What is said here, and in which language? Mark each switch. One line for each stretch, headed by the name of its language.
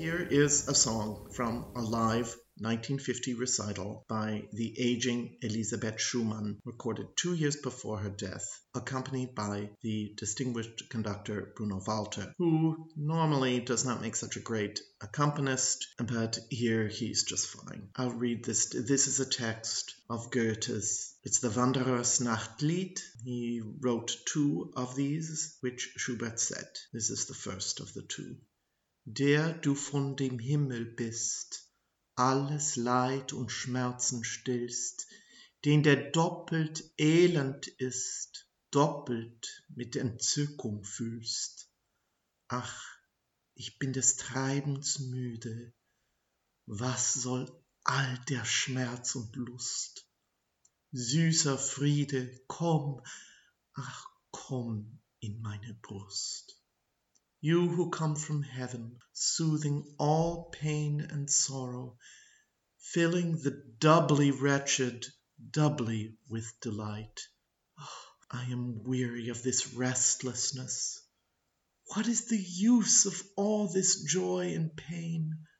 English: Is a song from a live 1950 recital by the aging Elisabeth Schumann, recorded 2 years before her death, accompanied by the distinguished conductor Bruno Walter, who normally does not make such a great accompanist, but here he's just fine. I'll read this. This is a text of Goethe's. It's the Wanderers Nachtlied. He wrote two of these, which Schubert set. This is the first of the two.
German: Der du von dem Himmel bist, alles Leid und Schmerzen stillst, den der doppelt elend ist, doppelt mit Entzückung fühlst. Ach, ich bin des Treibens müde, was soll all der Schmerz und Lust? Süßer Friede, komm, ach, komm in meine Brust.
English: You who come from heaven, soothing all pain and sorrow, filling the doubly wretched, doubly with delight. Oh, I am weary of this restlessness. What is the use of all this joy and pain?